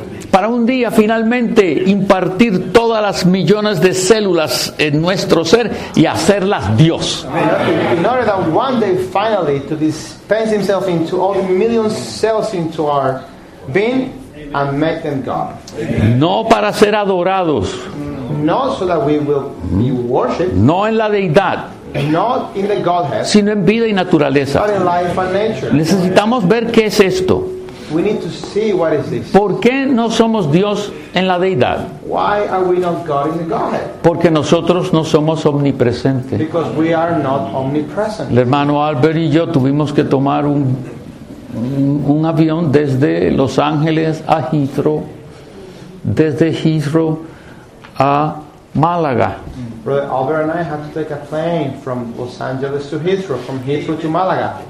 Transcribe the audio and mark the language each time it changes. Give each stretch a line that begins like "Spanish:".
Spanish: Para un día finalmente impartir todas las millones de células en nuestro ser y hacerlas Dios.
English: In order that one day finally to dispense himself into all the millions of cells into our being. And make them God.
Spanish: No para ser adorados.
English: No, so that we will be worshipped.
Spanish: No en la deidad.
English: Not in the Godhead.
Spanish: Sino en vida y naturaleza.
English: But in life and nature.
Spanish: Necesitamos ver qué es esto.
English: We need to see what is this.
Spanish: ¿Por qué no somos Dios en la deidad?
English: Why are we not God in the Godhead?
Spanish: Porque nosotros no somos omnipresentes.
English: Because we are not omnipresent.
Spanish: El hermano Albert y yo tuvimos que tomar un avión desde Los Ángeles a Heathrow, desde Heathrow a Málaga.
English: Brother Albert and I had to take a plane from Los Angeles to Heathrow, from Heathrow to Málaga.